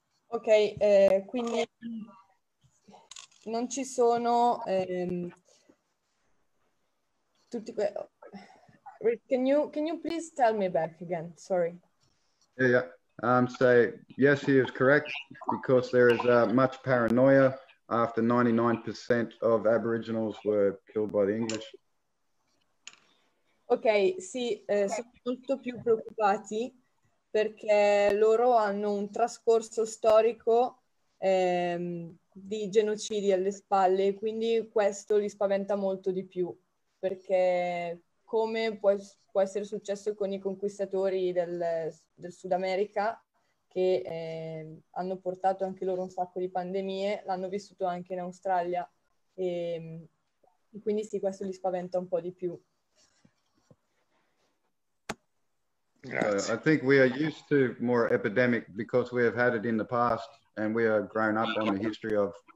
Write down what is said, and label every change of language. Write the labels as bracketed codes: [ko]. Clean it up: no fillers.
[it] Ok, quindi non ci sono tutti quei... [en] Can you please tell me back again? Sorry. Yeah. Yes, he is correct, because there is much paranoia after 99% of Aboriginals were killed by the English. [it] Ok, sì, sono molto più preoccupati perché loro hanno un trascorso storico di genocidi alle spalle, quindi questo li spaventa molto di più, perché come può essere successo con i conquistatori del Sud America, che hanno portato anche loro un sacco di pandemie, l'hanno vissuto anche in Australia, e quindi sì, questo li spaventa un po' di più. [en] I think we are used to more epidemic because we have had it in the past and we are grown up on the history of...